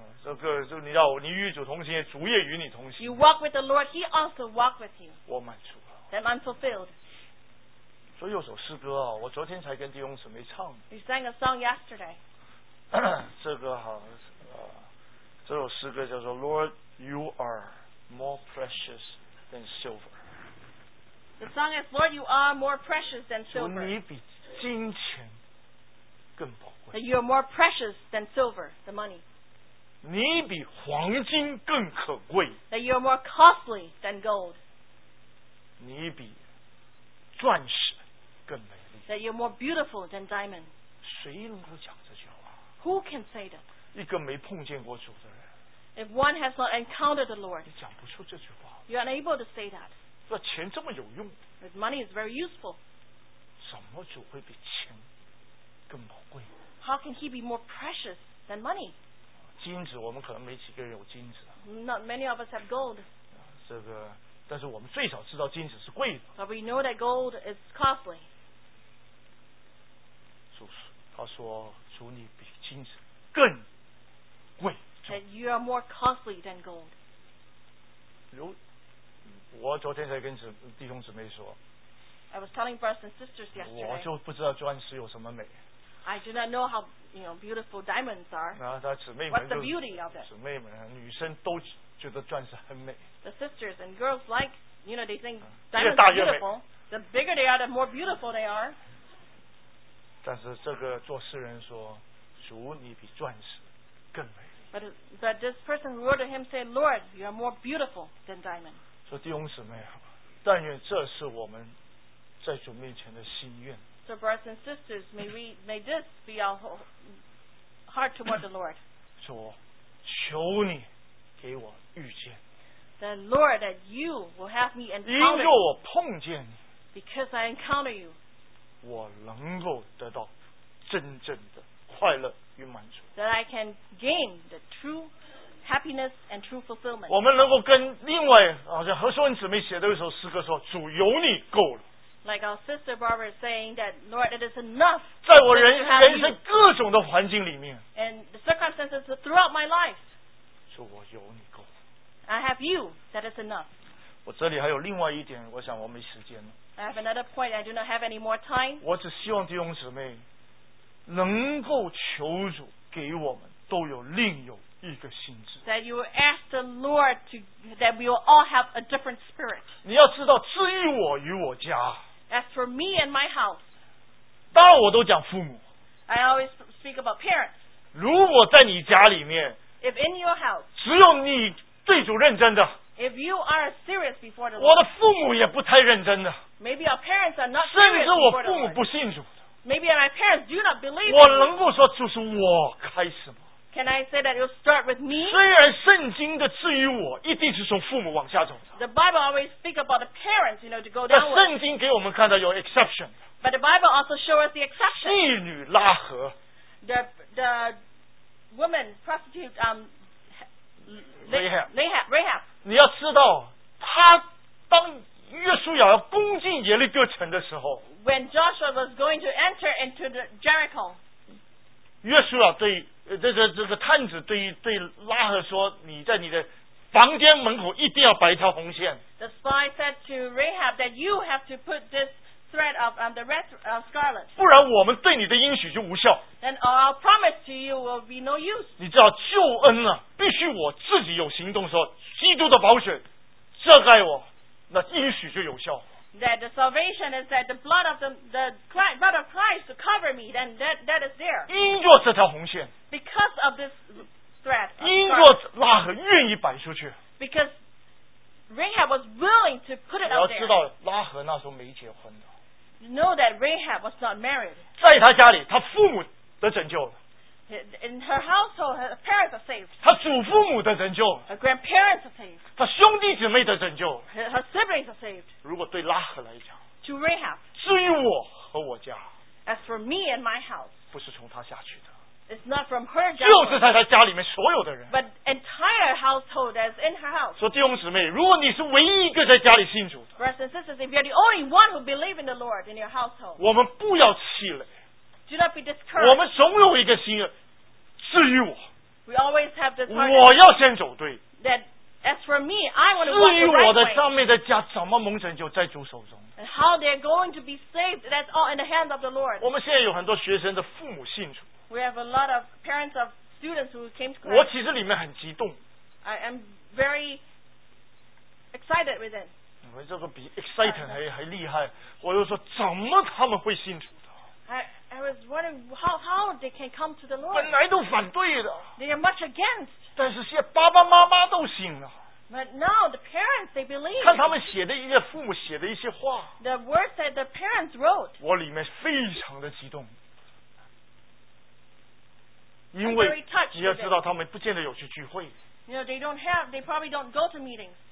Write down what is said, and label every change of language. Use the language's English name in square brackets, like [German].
[Chinese] 这个就你要你与主同行主也与你同行 [English] You walk with the Lord He also walk with you [Chinese] 我满足 [English] Then I'm fulfilled [Chinese] 所以有首诗歌啊，我昨天才跟弟兄姊妹唱。 [English] You sang a song yesterday. [Chinese] 这个好，这首诗歌叫做 [English] Lord, You are more precious than silver. The song is Lord, You are more precious than silver. [Chinese] 你比金钱更宝贵。 [English] That you are more precious than silver, the money. [Chinese] 你比黄金更可贵。 [English] That you are more costly than gold. [Chinese] 你比钻石更美丽。 [English] That you are more beautiful than diamond. [Chinese] 谁能够讲这句话？ [English] Who can say that? [Chinese] 一个没碰见过主的人。 [English] If one has not encountered the Lord. [Chinese] 你讲不出这句话。 [English] You are unable to say that. [Chinese] 那钱这么有用。 [English] But money is very useful. [Chinese] 怎么主会比钱更宝贵？ [English] How can he be more precious than money? [Chinese] 金子，我们可能没几个人有金子。 [English] Not many of us have gold. [Chinese] 这个，但是我们最少知道金子是贵的。 [English] But we know that gold is costly. [Chinese] 主，他说，主你比金子更贵。 [English] That you are more costly than gold. [Chinese] 如，我昨天才跟弟兄姊妹说。 [English] I was telling brothers and sisters yesterday. [Chinese] 我就不知道钻石有什么美。 [English] I do not know how you know, beautiful diamonds are. [Chinese] 那他姊妹们 [English] What's the beauty of it? [Chinese] 姊妹们，女生都觉得钻石很美。 [English] The sisters and girls like, you know, they think diamonds are beautiful. [Chinese] 越大越美。 [English] The bigger they are, the more beautiful they are. [Chinese] 但是这个作诗人说，主你比钻石更美。 [English] But this person who wrote to him said, Lord, you are more beautiful than diamond. [Chinese] 说弟兄姊妹，但愿这是我们在主面前的心愿。 [English] So brothers and sisters, may this be our heart toward the Lord. [Chinese] 主，求你给我遇见。 [English] The Lord, that you will have me encounter. [Chinese] 因着我碰见你。 [English] Because I encounter you. [Chinese] 我能够得到真正的快乐与满足。 [English] That I can gain the true happiness and true fulfillment. [Chinese] 我们能够跟另外好像何淑文姊妹写的一首诗歌说，主有你够了。 [English] Like our sister Barbara is saying that, Lord, it is enough. [Chinese] 在我人生各种的环境里面。 [English] And the circumstances throughout my life. [Chinese] 主，我有你够。 [English] I have you. That is enough. [Chinese] 我这里还有另外一点，我想我没时间了。 [English] I have another point. I do not have any more time. [Chinese] 我只希望弟兄姊妹能够求主给我们都有另有一个心智。 [English] That you ask the Lord to that we will all have a different spirit. [Chinese] 你要知道，至于我与我家。 [English] As for me and my house. [Chinese] 当然，我都讲父母。 [English] I always speak about parents. [Chinese] 如果在你家里面。 [English] If in your house. [Chinese] 只有你对主认真的。 [English] If you are serious before the Lord. [Chinese] 我的父母也不太认真的。 [English] Maybe our parents are not. [Chinese] 甚至我父母不信主的。 [English] Maybe my parents do not believe. [Chinese] 我能够说，就是我开始吗？ [English] Can I say that you'll start with me? [Chinese] 虽然圣经的至于我一定是从父母往下走的。 [English] The Bible always speak about the parents, you know, to go down. [Chinese] 但圣经给我们看到有 exception. [English] But the Bible also show us the exception. [Chinese] 妓女拉合。 [English] The woman prostitute Rahab. [Chinese] 你要知道，她当约书亚要攻进耶利哥城的时候。 [English] When Joshua was going to enter into the Jericho. [Chinese] 约书亚对。这个探子对拉合说，你在你的房间门口一定要摆一条红线。 [English] The spy said to Rahab that you have to put this thread of the red scarlet. [Chinese] 不然我们对你的应许就无效。 [English] Then our promise to you will be no use. [Chinese] 你知道救恩啊，必须我自己有行动，说基督的宝血遮盖我，那应许就有效。 [English] That the salvation is that the blood of the blood of Christ to cover me, then that is there. [Chinese] 因着这条红线。 [English] Because of this thread. [Chinese] 因着拉合愿意摆出去。 [English] Because Rahab was willing to put it out there. [Chinese] 你要知道拉合那时候没结婚的。 [English] You know that Rahab was not married. [Chinese] 在他家里，他父母得拯救了。 [English] In her household, her parents are saved. [Chinese] 他祖父母的拯救。 [English] Her grandparents are saved. [Chinese] 他兄弟姊妹的拯救。 [English] Her siblings are saved. [Chinese] 如果对拉合来讲。 [English] To Rahab. [Chinese] 至于我和我家。 [English] As for me and my house. [Chinese] 不是从他下去的。 [English] It's not from her [Chinese] 家。就是在他家里面所有的人。 [English] But entire household that's in her house. [Chinese] 说弟兄姊妹，如果你是唯一一个在家里信主的。 [English] Brothers and sisters, if you're the only one who believes in the Lord in your household. [Chinese] 我们不要气馁。 [English] Do not be discouraged. [Chinese] 我们总有一个心愿，至于我。 [English] We always have this. [Chinese] 我要先走对。 [English] That as for me, I want to. [Chinese] 至于我的上面的家怎么蒙拯救，在主手中。 [English] And how they're going to be saved? That's all in the hands of the Lord. [Chinese] 我们现在有很多学生的父母信主。 [English] We have a lot of parents of students who came to Christ. [Chinese] 我其实里面很激动。 [English] I am very excited with it. [Chinese] 我这个比 excited 还厉害。我又说怎么他们会信主的？ [English] I I was wondering how they can come to the Lord. [Chinese] 本来都反对的。 [English] They are much against. [Chinese] 但是现在爸爸妈妈都信了。 [English] But now the parents they believe. [Chinese] 看他们写的一些父母写的一些话。 [English] The words that the parents wrote. [Chinese] 我里面非常的激动。因为你要知道他们不见得有去聚会。 [English] You know, they don't have, they probably don't go to meetings.